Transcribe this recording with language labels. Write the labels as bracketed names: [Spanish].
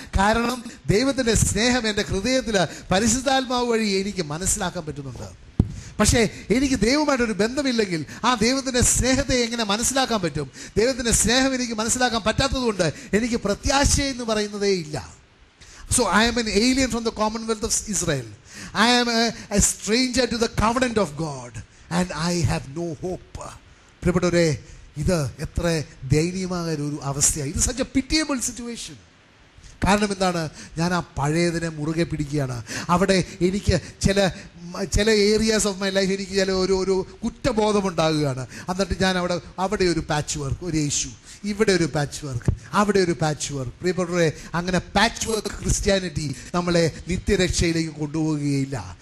[Malayalam] കാരണം ദൈവത്തിൻ്റെ സ്നേഹം എൻ്റെ ഹൃദയത്തിൽ പരിശുദ്ധാത്മാവ് വഴി എനിക്ക് മനസ്സിലാക്കാൻ പറ്റുന്നുണ്ട്. പക്ഷേ എനിക്ക് ദൈവമായിട്ടൊരു ബന്ധമില്ലെങ്കിൽ ആ ദൈവത്തിൻ്റെ സ്നേഹത്തെ എങ്ങനെ മനസ്സിലാക്കാൻ പറ്റും? ദൈവത്തിൻ്റെ സ്നേഹം എനിക്ക് മനസ്സിലാക്കാൻ പറ്റാത്തതുകൊണ്ട് എനിക്ക് പ്രത്യാശയെന്ന് പറയുന്നതേ ഇല്ല. [English] So I am an alien from the commonwealth of Israel. I am a stranger to the covenant of God and I have no hope. [Malayalam] Prabodore, idu etra dainiyamaga oru avastha. [English] It is such a pitiable situation. [Malayalam] കാരണം എന്താണ്? ഞാൻ ആ പഴയതിനെ മുറുകെ പിടിക്കുകയാണ്. അവിടെ എനിക്ക് ചില [English] areas of my life [Malayalam] എനിക്ക് ചില ഒരു കുറ്റബോധം ഉണ്ടാകുകയാണ്. എന്നിട്ട് ഞാൻ അവിടെ ഒരു പാച്ച് വർക്ക്, ഒരു യേശു, ഇവിടെ ഒരു പാച്ച് വർക്ക്, അവിടെ ഒരു പാച്ച് വർക്ക്. പ്രിയപ്പെട്ടവരെ, അങ്ങനെ പാച്ച് വർക്ക് ക്രിസ്ത്യാനിറ്റി നമ്മളെ നിത്യരക്ഷയിലേക്ക് കൊണ്ടുപോവുകയില്ല.